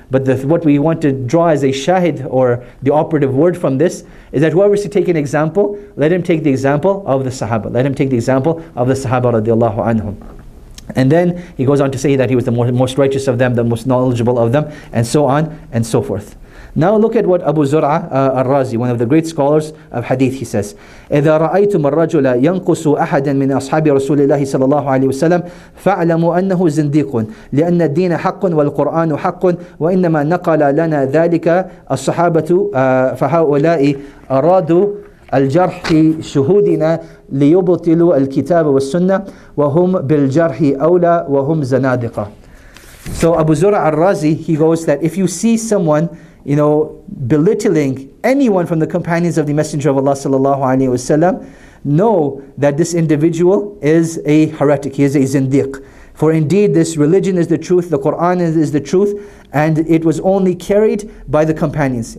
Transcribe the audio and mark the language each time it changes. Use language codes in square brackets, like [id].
[en] But what we want to draw as a shahid, or the operative word from this, is that whoever is to take an example, let him take the example of the Sahaba. Let him take the example of the Sahaba [ar] radiallahu anhum. [en] And then he goes on to say that he was the most righteous of them, the most knowledgeable of them, and so on and so forth. Now look at what Abu Zur'ah al-Razi, one of the great scholars of hadith, he says, [ar] "إذا رأيتم الرجل ينقص أحدا من أصحاب رسول الله صلى الله عليه وسلم فاعلموا أنه زنديق لأن الدين حق والقرآن حق وإنما نقل لنا ذلك الصحابة فهؤلاء أرادوا الجرح في شهودنا ليبطلوا الكتاب والسنة وهم بالجرح أولى وهم زنادقة." [en] So Abu Zur'ah al-Razi, he goes that if you see someone, you know, belittling anyone from the companions of the Messenger of Allah [ar] sallallahu alaihi wasallam, [en] know that this individual is a heretic, he is a zindiq. For indeed this religion is the truth, the Quran is the truth, and it was only carried by the companions.